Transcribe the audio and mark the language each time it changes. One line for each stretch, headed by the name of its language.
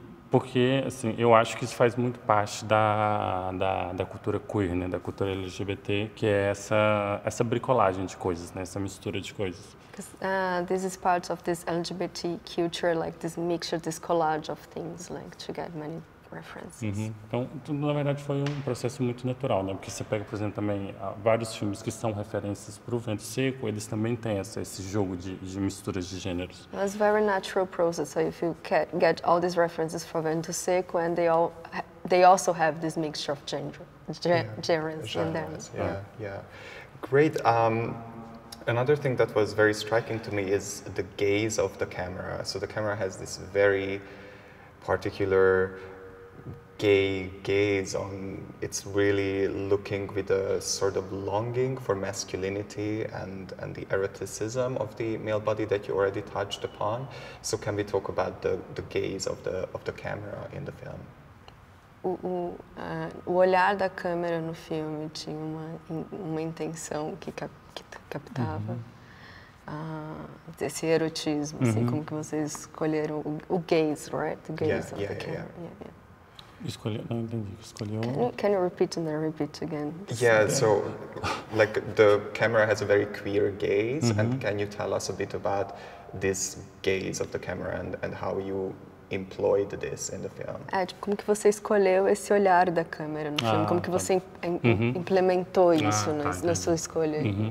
Portuguese: Porque assim, eu acho que isso faz muito parte da cultura queer, né? Da cultura LGBT, que é essa bricolagem de coisas, né? Essa mistura de coisas.
English: This is part of this LGBT culture, like this mixture, this collage of things, like to get many references.
Portuguese: Então, na verdade, foi um processo muito natural, né? Porque você pega, por exemplo, também vários filmes que são referências para o Vento Seco, eles também têm esse jogo de misturas de gêneros.
English: It was a very natural process. So if you get all these references for Vento Seco, and they also have this mixture of genres in them. Great. Another thing that was very striking to me is the gaze of the camera. So the camera has this very particular gay gaze on, it's really looking with a sort of longing for masculinity and the eroticism of the male body that you already touched upon. So can we talk about the gaze of the camera in the film?
Portuguese: O olhar da câmera no filme tinha uma intenção que captava desse erotismo, assim como que vocês escolheram o gaze,
English: right? The gaze of the camera. Can you repeat again? So like the camera has a very queer gaze, and can you tell us a bit about this gaze of the camera and how you employed this in the film?
Portuguese: Como que você escolheu esse olhar da câmera no filme? Como que você implementou isso na sua escolha?